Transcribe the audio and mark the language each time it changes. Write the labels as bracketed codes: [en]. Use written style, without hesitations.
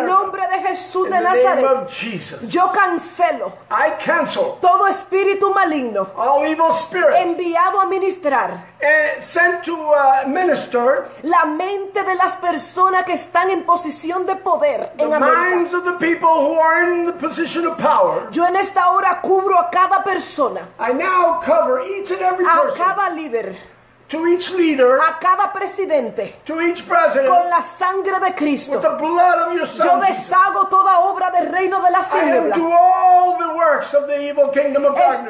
[es] el nombre de Jesús de Nazaret, [en] in the name of Jesus. [es] Yo cancelo, [en] I cancel, [es] todo espíritu maligno, [en] all evil spirits, [es] enviado a ministrar, [en] sent to minister, [es] la mente de las personas que están en posición de poder en [en] America, the minds of the people who are in the position of power. [es] Yo en esta hora cubro a cada persona, [en] I now cover each and every person, [es] a cada líder, [en] to each leader, [es] a cada presidente, [en] to each president, [es] con la sangre de Cristo, [en] with the blood of your son, [es] yo deshago toda obra del reino de las tinieblas, [en] I undo all the works of the evil kingdom of darkness,